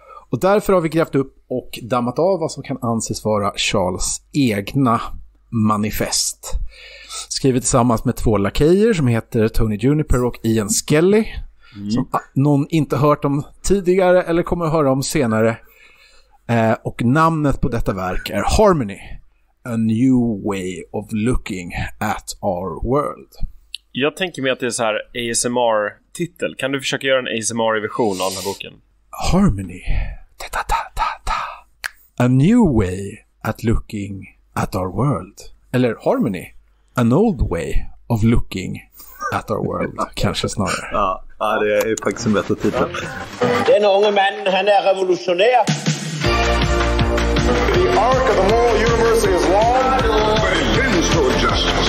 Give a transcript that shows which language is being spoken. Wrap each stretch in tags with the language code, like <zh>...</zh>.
<sv>Och därför har vi grävt upp och dammat av vad som kan anses vara Charles egna manifest. Skrivet tillsammans med två lakejer som heter Tony Juniper och Ian Skelly. Mm. Som någon inte hört om tidigare eller kommer att höra om senare. Och namnet på detta verk är Harmony.</sv> <en>A new way of looking at our world.</en> <sv>Jag tänker mig att det är så här ASMR-titel. Kan du försöka göra en ASMR-version av den här boken? Harmony. Ta-ta-ta-ta.</sv> <en>A new way at looking at our world. Eller Harmony. An old way of looking at our world.</en> <sv>Kanske snarare. Ja, det är faktiskt en bättre titel. Den unge mannen, han är revolutionär.</sv> <en>The arc of the moral universe is long, but it bends toward justice.</en>